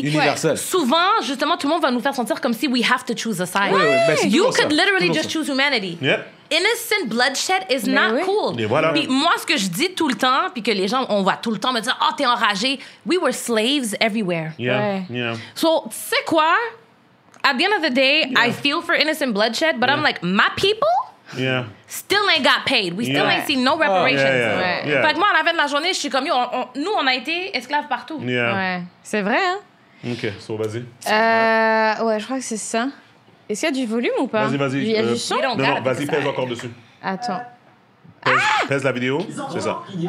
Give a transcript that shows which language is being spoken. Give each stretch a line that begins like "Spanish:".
French: Universelle. Souvent, justement, tout le monde va nous faire sentir comme si
English: we have to choose a side. You could literally just choose humanity. Yep. Innocent bloodshed is not cool.
French: Voilà. Puis moi, ce que je dis tout le temps, puis que les gens, on voit tout le temps me dire, oh, t'es enragé.
English: We were slaves everywhere. Yeah.
French: So, tu sais quoi?
English: At the end of the day, I feel for innocent bloodshed, but I'm like, my people still ain't got paid. We still ain't seen no reparations.
French: Fait que moi, à la fin de la journée, je suis comme, nous, on a été esclaves partout.
English: Yeah.
French: Ouais. C'est vrai, hein? OK, so, vas-y. Ouais, je crois que c'est ça. Est-ce qu'il y a du volume ou pas? Vas-y. Il y a du son? Non, vas-y, pèse encore dessus. Attends. Pèse la vidéo, c'est ça.